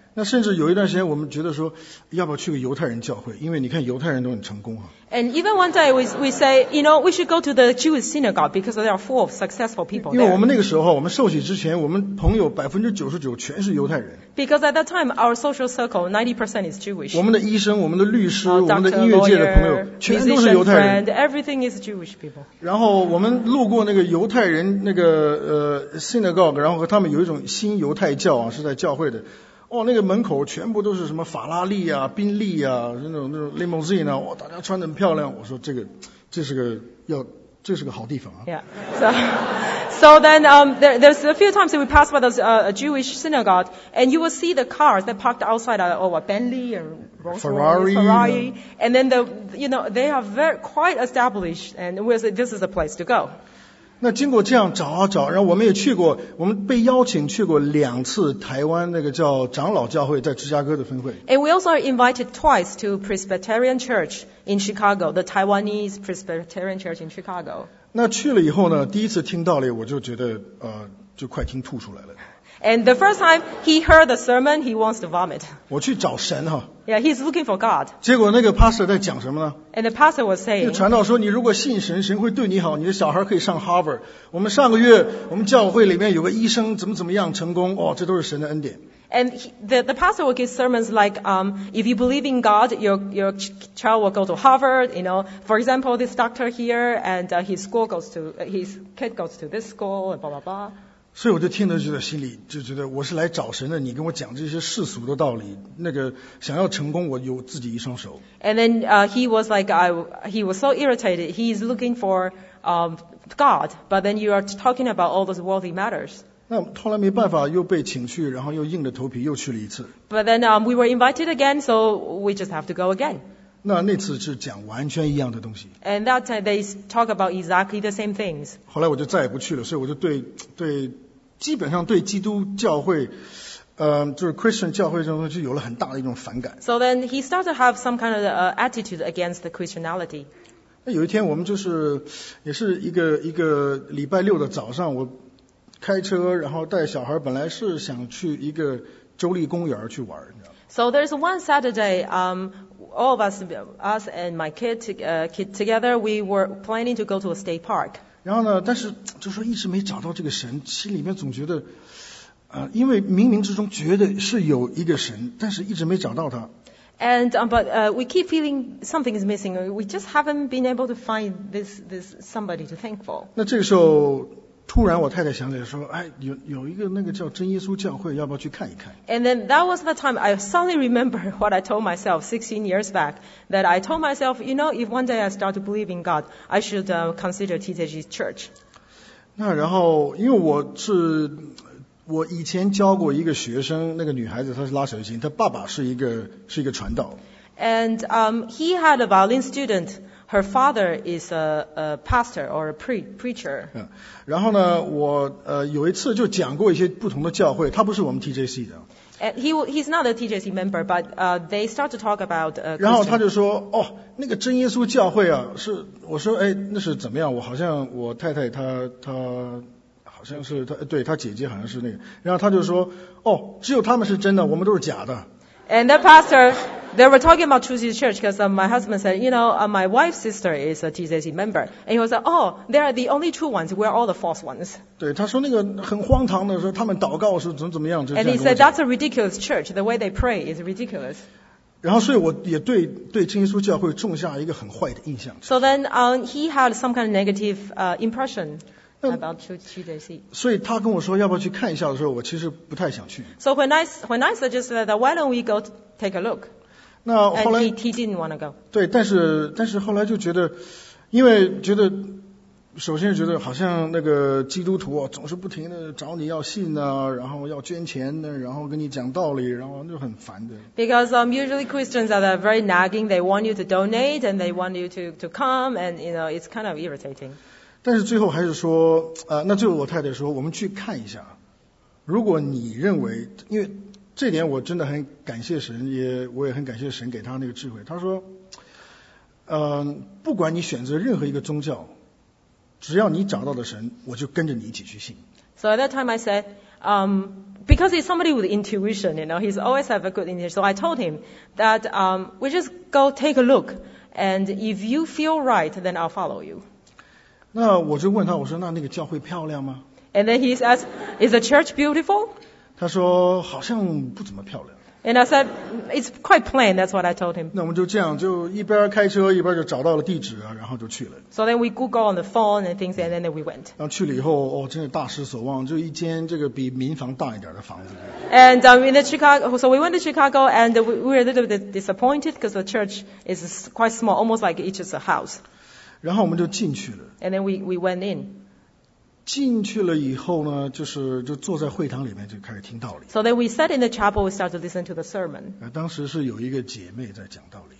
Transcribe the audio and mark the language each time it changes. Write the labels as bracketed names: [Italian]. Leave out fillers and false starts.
[Chinese] 那甚至有一段时间我们觉得说要不要去个犹太人教会，因为你看犹太人都很成功啊。 [English] And even one day we say, we should go to the Jewish synagogue because they are full of successful people there. [Chinese] 因为我们那个时候我们受洗之前我们朋友 99% 全是犹太人。 [English] Because at that time our social circle 90% is Jewish. [Chinese] 我们的医生我们的律师、 [English] Doctor, [Chinese] 我们的音乐界的朋友 [English] lawyer, [Chinese] 全都是犹太人。 [English] Musician friend, everything is Jewish people. [Chinese] 然后我们路过那个犹太人那个synagogue, 然后和他们有一种新犹太教啊，是在教会的。哦，那个门口全部都是什么法拉利啊、宾利啊，那种 limousine 啊，哇，大家穿得很漂亮。我说这是个好地方啊。 [English] Yeah. So then there's a few times that we pass by those Jewish synagogue, and you will see the cars that parked outside are Bentley and Ferrari, and then they are very quite established, and we say this is a place to go. [Chinese] 那经过这样找啊找，然后我们也去过，我们被邀请去过两次台湾那个叫长老教会在芝加哥的分会。 [English] And we also are invited twice to Presbyterian Church in Chicago, the Taiwanese Presbyterian Church in Chicago. [Chinese] 那去了以后呢，第一次听道理，我就觉得就快听吐出来了。 [English] And the first time he heard the sermon, he wants to vomit. [Chinese] 我去找神哈。 [English] Yeah, he's looking for God. [Chinese] 结果那个 pastor 在讲什么呢？ [English] And the pastor was saying. [Chinese] 那个传道说，你如果信神，神会对你好，你的小孩可以上 Harvard。我们上个月，我们教会里面有个医生怎么怎么样成功，哦，这都是神的恩典。 [English] And the pastor will give sermons like, if you believe in God, your child will go to Harvard, you know. For example, this doctor here, and his kid goes to this school, and blah, blah, blah. [Chinese] 所以我就听得就在心里就觉得我是来找神的，你跟我讲这些世俗的道理，那个想要成功我有自己一双手。 [English] And then, he was like, he was so irritated. He's looking for, God, but then you are talking about all those worldly matters. [Chinese] 那后来没办法，又被请去，然后又硬着头皮又去了一次。 [English] But then, we were invited again, so we just have to go again. [Chinese] 那次是讲完全一样的东西。 [English] And that time they talk about exactly the same things. [Chinese] 后来我就再也不去了，所以我就对基本上对基督教会，就是 Christian 教会这种东西有了很大的一种反感。 [English] So then he started to have some kind of attitude against the Christianity. [Chinese] 那有一天我们就是也是一个礼拜六的早上，我。开车然后带小孩本来是想去一个州立公园去玩你知道吗 [English] So there's one Saturday, all of us and my kid together, we were planning to go to a state park. [Chinese] 然后呢但是就说一直没找到这个神心里面总觉得因为冥冥之中觉得是有一个神但是一直没找到他。 [English] And, but, we keep feeling something is missing. We just haven't been able to find this somebody to thank for. [Chinese] 那这个时候突然我太太想起来说哎有一个那个叫真耶稣教会要不要去看一看 [English] And then that was the time I suddenly remember what I told myself 16 years back that I told myself, you know, if one day I start to believe in God, I should consider TTG church. [Chinese] 那然后因为我以前教过一个学生那个女孩子她是拉小提琴她爸爸是一个传道。 [English] And, he had a violin student. Her father is a pastor or a preacher. [Chinese] 然后呢我有一次就讲过一些不同的教会他不是我们 TJC 的。 [English] He's not a TJC member, but they start to talk about Christian. [Chinese] 然后他就说哦那个真耶稣教会啊是我说哎那是怎么样我好像我太太她好像是她对她姐姐好像是那个。然后他就说哦只有他们是真的我们都是假的。 [English] And the pastor, they were talking about Trinity Church because my husband said, you know, my wife's sister is a TCC member. And he was like, oh, they are the only true ones. We are all the false ones. [Chinese] 对他说那个很荒唐的说他们祷告是怎么怎么样。 [English] And he said, that's a ridiculous church. The way they pray is ridiculous. [Chinese] 然后所以我也对真耶稣教会种下一个很坏的印象。 [English] So then, he had some kind of negative, impression. About [Chinese] 所以他跟我说要不要去看一下的时候，我其实不太想去。 [English] So when I suggested that, why don't we go take a look? [Chinese] 那后来 [English] he didn't want to go. [Chinese] 对，但是后来就觉得，因为觉得，首先觉得好像那个基督徒啊，总是不停的找你要信啊，然后要捐钱呢，然后跟你讲道理，然后就很烦的。 [English] Because usually Christians are very nagging. They want you to donate and they want you to come, and you know it's kind of irritating. [Chinese] 但是最后还是说那最后我太太说我们去看一下如果你认为因为这点我真的很感谢神我也很感谢神给他那个智慧他说不管你选择任何一个宗教只要你找到的神我就跟着你一起去信 [English] So at that time I said because he's somebody with intuition you know he's always have a good intuition so I told him that we just go take a look and if you feel right then I'll follow you [Chinese] 那我就问他，我说那个教会漂亮吗 [English] ？And then he asked, "Is the church beautiful?" [Chinese] 他说好像不怎么漂亮。 [English] And I said, "It's quite plain." That's what I told him. [Chinese] 那我们就这样，就一边开车一边就找到了地址啊，然后就去了。 [English] So then we Google on the phone and things, and then we went. [Chinese] 然后去了以后，哦，真是大失所望，就一间这个比民房大一点的房子。 [English] And in the Chicago, so we went to Chicago, and we were a little bit disappointed because the church is quite small, almost like it's just a house. [Chinese] 然后我们就进去了。 [English] And then we went in. [Chinese] 进去了以后呢，就是就坐在会堂里面就开始听道理。 [English] So then we sat in the chapel, we started to listen to the sermon. [Chinese] 当时是有一个姐妹在讲道理。